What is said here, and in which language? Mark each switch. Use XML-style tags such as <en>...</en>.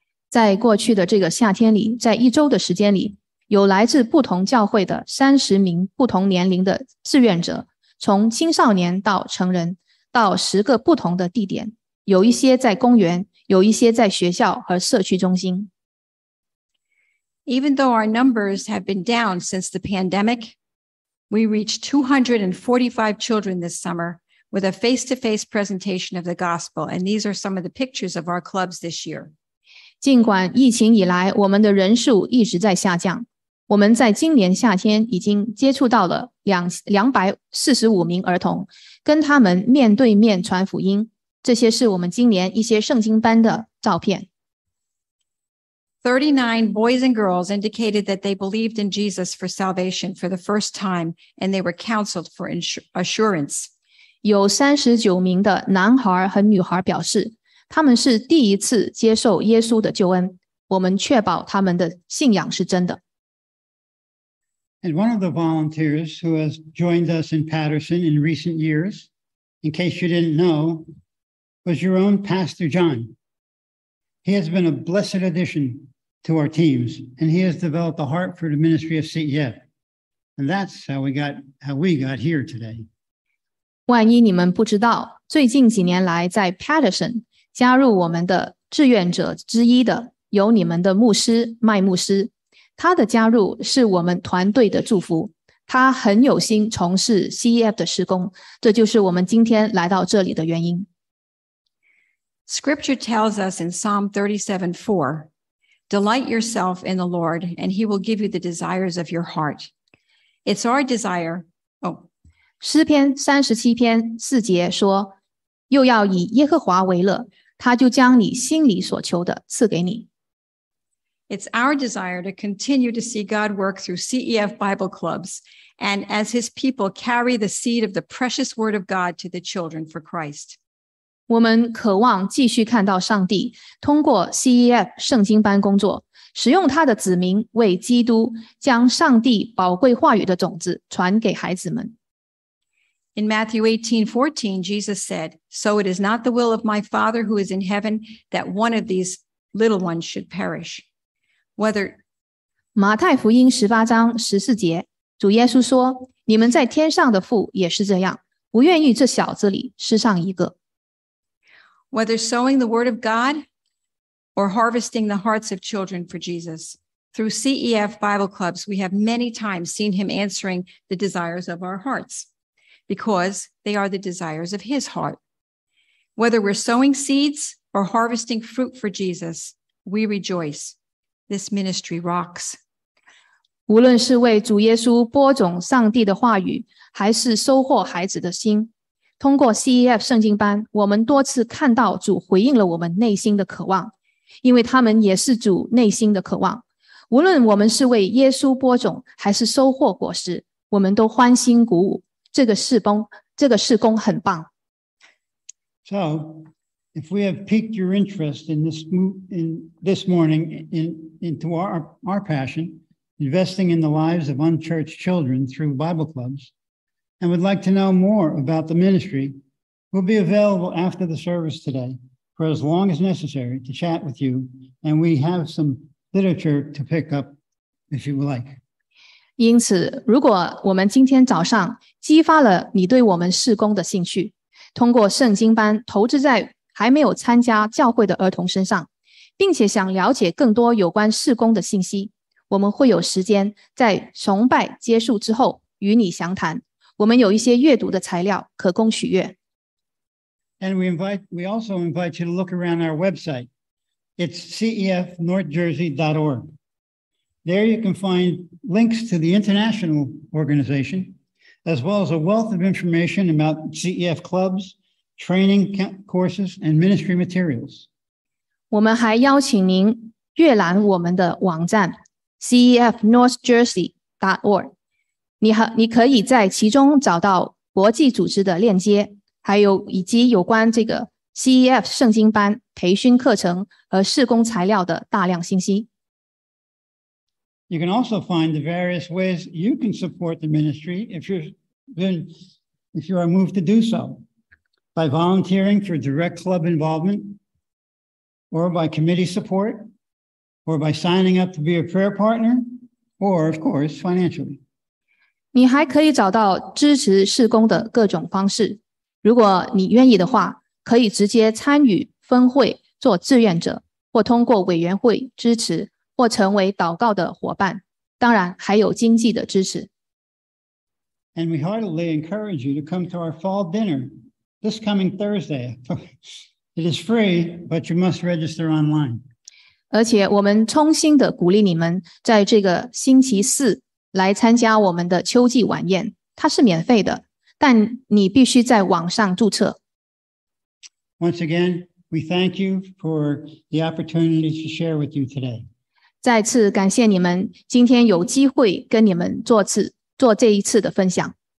<zh>在过去的这个夏天里，在一周的时间里，有来自不同教会的30名不同年龄的志愿者，从青少年到成人，到十个不同的地点，有一些在公园，有一些在学校和社区中心。</zh> <en>Even though our numbers have been down since the pandemic, we reached 245 children this summer with a face-to-face presentation of the gospel, and these are some of the pictures of our clubs this year.</en> <zh>尽管疫情以来，我们的人数一直在下降。我们在今年夏天已经接触到了245名儿童，跟他们面对面传福音。这些是我们今年一些圣经班的照片。</zh> <en>39 boys and girls indicated that they believed in Jesus for salvation for the first time, and they were counseled for assurance.</en> <zh>有39名的男孩和女孩表示，他们是第一次接受耶稣的救恩，我们确保他们的信仰是真的。</zh> <en>And one of the volunteers who has joined us in Patterson in recent years, in case you didn't know, was your own Pastor John. He has been a blessed addition to our teams, and he has developed a heart for the ministry of CEF. And that's how we got here today.</en> <zh>万一你们不知道，最近几年来在 Patterson 加入我们的志愿者之一的有你们的牧师麦牧师。他的加入是我们团队的祝福，他很有心从事 CEF 的事工，这就是我们今天来到这里的原因。</zh> <en>Scripture tells us in Psalm 37:4, Delight yourself in the Lord, and he will give you the desires of your heart. It's our desire.</en> <zh>诗篇37篇四节说，又要以耶和华为乐，他就将你心里所求的赐给你。</zh> <en>It's our desire to continue to see God work through CEF Bible clubs and as his people carry the seed of the precious word of God to the children for Christ.</en> <zh>我们渴望继续看到上帝通过 CEF 圣经班工作，使用他的子民为基督将上帝宝贵话语的种子传给孩子们。</zh> <en>In Matthew 18:14, Jesus said, So it is not the will of my Father who is in heaven that one of these little ones should perish. Whether</en> <zh>马太福音十八章十四节，主耶稣说，你们在天上的父也是这样，不愿意这小子里失上一个。</zh> <en>Whether sowing the word of God or harvesting the hearts of children for Jesus, through CEF Bible clubs, we have many times seen him answering the desires of our hearts, because they are the desires of his heart. Whether we're sowing seeds or harvesting fruit for Jesus, we rejoice. This ministry rocks.</en> <zh>无论是为主耶稣播种上帝的话语，还是收获孩子的心，通过 CEF 圣经班，我们多次看到主回应了我们内心的渴望，因为他们也是主内心的渴望。无论我们是为耶稣播种，还是收获果实，我们都欢欣鼓舞。这个事工很棒。</zh> <en>So, if we have piqued your interest in this morning into our passion, investing in the lives of unchurched children through Bible clubs, and would like to know more about the ministry, we'll be available after the service today for as long as necessary to chat with you, and we have some literature to pick up if you would like.</en> <zh>因此，如果我们今天早上激发了你对我们事工的兴趣，通过圣经班投资在还没有参加教会的儿童身上，并且想了解更多有关事工的信息，我们会有时间在崇拜结束之后与你详谈。我们有一些阅读的材料可供取阅。</zh> <en>And we also invite you to look around our website. It's cefnorthjersey.org. There you can find links to the international organization, as well as a wealth of information about CEF clubs, training courses, and ministry materials.</en> <zh>我们还邀请您阅览我们的网站 cefnorthjersey.org. 你可以在其中找到国际组织的链接，还有以及有关这个 CEF 圣经班培训课程和事工材料的大量信息。</zh> <en>You can also find the various ways you can support the ministry if you are moved to do so, by volunteering for direct club involvement, or by committee support, or by signing up to be a prayer partner, or of course, financially.</en> <zh>你还可以找到支持事工的各种方式。如果你愿意的话，可以直接参与分会做志愿者，或通过委员会支持。或成为祷告的伙伴，当然还有经济的支持。</zh> <en>And we heartily encourage you to come to our fall dinner this coming Thursday. It is free, but you must register online.</en> <zh>而且我们衷心的鼓励你们在这个星期四来参加我们的秋季晚宴，它是免费的，但你必须在网上注册。</zh> <en>Once again, we thank you for the opportunity to share with you today.</en> <zh>再次感谢你们今天有机会跟你们做这一次的分享。</zh>